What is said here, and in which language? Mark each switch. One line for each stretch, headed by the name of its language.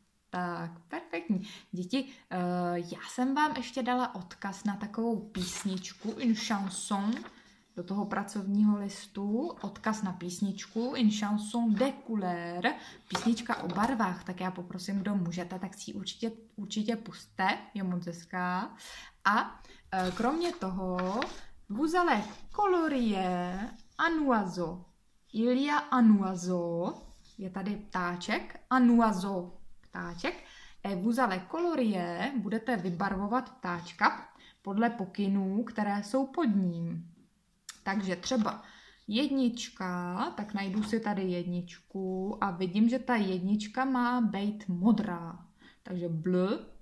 Czech: Tak, perfektní. Děti, já jsem vám ještě dala odkaz na takovou písničku,
French: une chanson,
Czech: do toho pracovního listu. Odkaz na písničku,
French: une chanson de couleur,
Czech: písnička o barvách. Tak já poprosím, kdo můžete, tak si ji určitě pusťte, je moc hezká. A kromě toho,
French: vous allez colorier un oiseau. Il y a un oiseau,
Czech: je tady ptáček,
French: un oiseau.
Czech: Ptáček.
French: Et vous allez colorier,
Czech: budete vybarvovat ptáčka podle pokynů, které jsou pod ním. Takže třeba jednička, tak najdu si tady jedničku a vidím, že ta jednička má být modrá. Takže bleu.